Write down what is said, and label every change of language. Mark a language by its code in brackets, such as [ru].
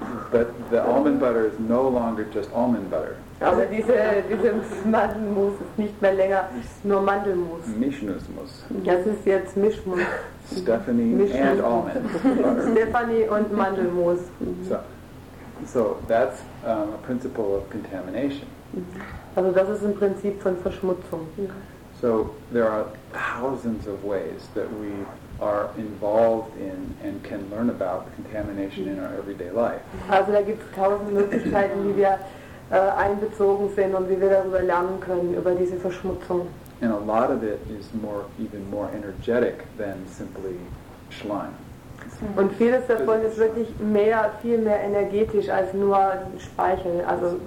[en] But the almond butter is no longer just almond butter. [de] Also diese Mandelmus ist nicht mehr länger nur Mandelmus. Mischmus. Das ist jetzt Mischmus. [en] Stephanie and almond butter. [de] Stephanie und Mandelmus. [en] So that's a principle of contamination. [de] Also das ist ein Prinzip von Verschmutzung. [en] So there are thousands of ways that we are involved in and can learn about contamination in our everyday life. [de] Also da gibt es tausend Möglichkeiten, wie wir einbezogen sind und wie wir darüber lernen können, über diese Verschmutzung. [en] And a lot of it is more, even more energetic than simply slime. [de] Und vieles davon ist wirklich mehr, viel mehr energetisch als nur Speichel. Also